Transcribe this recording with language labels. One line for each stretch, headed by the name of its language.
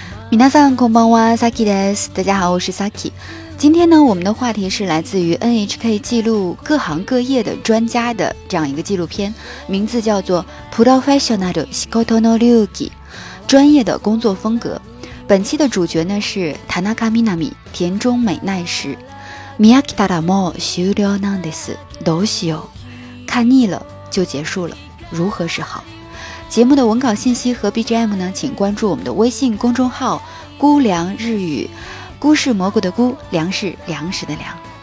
Japanese: 皆さんこんばんは、サキです。
Chinese: 大家好，我是 Saki。今天呢，我们的话题是来自于 NHK 记录各行各业的专家的这样一个纪录片，名字叫做《プロフェッショナル仕事の流儀》，专业的工作风格。本期的主角呢是田中みな美，田中美奈实。
Japanese: 見飽きたらもう終了なんです。どうしよう？
Chinese: 看腻了就结束了，如何是好？节目的文稿信息和 BGM 呢，请关注我们的微信公众号“菇凉日语”，菇是蘑菇的菇，凉是粮食的凉。